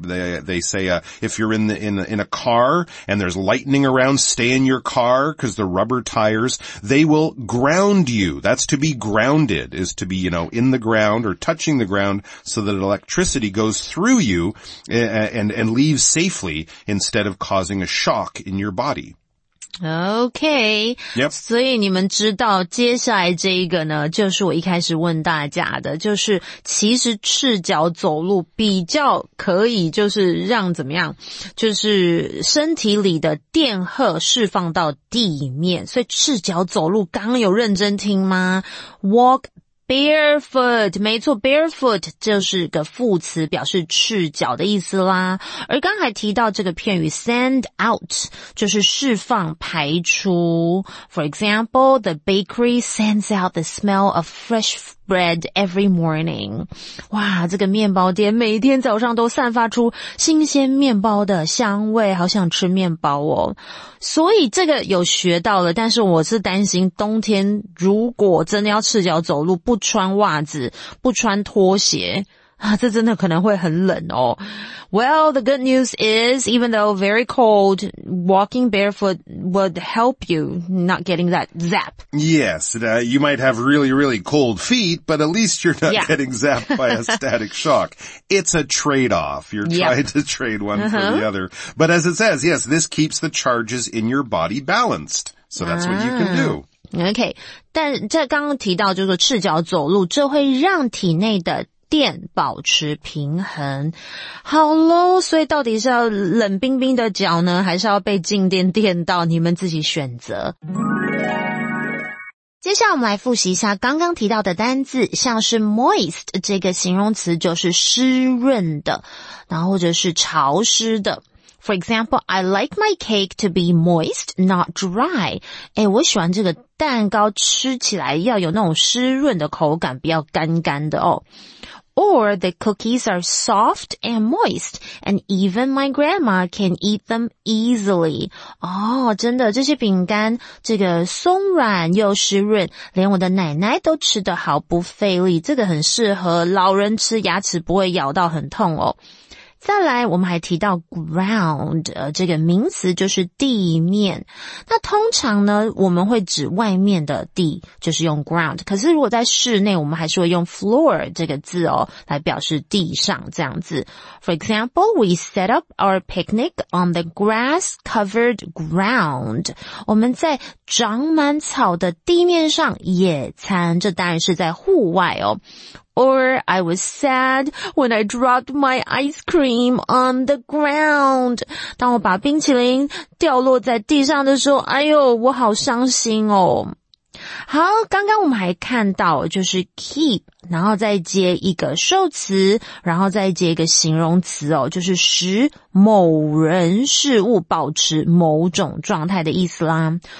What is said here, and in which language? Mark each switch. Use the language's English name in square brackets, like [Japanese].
[English] They say, if you're in a car and there's lightning around, stay in your car because the rubber tires, they will ground you. That's to be grounded, is to be, you know, in the ground or touching the ground so that electricity goes through you and leaves safely instead of causing a shock in your body. Okay. Yep. [Chinese] 所以你们知道接下来这一个呢就是我一开始问大家的就是其实赤脚走路比较可以就是让怎么样就是身体里的电荷释放到地面所以赤脚走路刚刚有认真听吗 [English] Walk barefoot, [Chinese] 没错 barefoot 就是个副词表示赤脚的意思啦。而刚才提到这个片语 send out, 就是释放排出。 [English] For example, the bakery sends out the smell of fresh bread every morning. [Chinese] 哇这个面包店每天早上都散发出新鲜面包的香味好想吃面包哦。所以这个有学到了但是我是担心冬天如果真的要赤脚走路不穿袜子不穿拖鞋啊这真的可能会很冷哦。 [English] Well, the good news is, even though very cold, walking barefoot would help you not getting that zap. Yes, you might have really, really cold feet, but at least you're not getting zapped by a static shock. It's a trade-off. You're trying to trade one for the other. But as it says, yes, this keeps the charges in your body balanced. So that's what you can do. Okay. [Chinese] 但这刚刚提到就是赤脚走路这会让体内的电保持平衡。好咯所以到底是要冷冰冰的脚呢还是要被静电电到你们自己选择。接下来我们来复习一下刚刚提到的单字像是 moist 这个形容词就是湿润的然后或者是潮湿的。 [English] For example, I like my cake to be moist, not dry. [Chinese] 诶我喜欢这个蛋糕吃起来要有那种湿润的口感不要干干的哦。 [English] Or the cookies are soft and moist, and even my grandma can eat them easily. [Chinese] 哦真的这些饼干这个松软又湿润连我的奶奶都吃得好不费力这个很适合老人吃牙齿不会咬到很痛哦。再来我们还提到 ground, 这个名词就是地面。那通常呢我们会指外面的地就是用 ground, 可是如果在室内我们还是会用 floor 这个字哦来表示地上这样子。 [English] For example, we set up our picnic on the grass-covered ground. [Chinese] 我们在长满草的地面上野餐，这当然是在户外哦。 [English] Or I was sad when I dropped my ice cream on the ground. [Chinese] 当我把冰淇淋掉落在地上的时候，哎呦，我好伤心哦。好，刚刚我们还看到就是 keep, 然后再接一个受词，然后再接一个形容词哦，就是使某人事物保持某种状态的意思啦。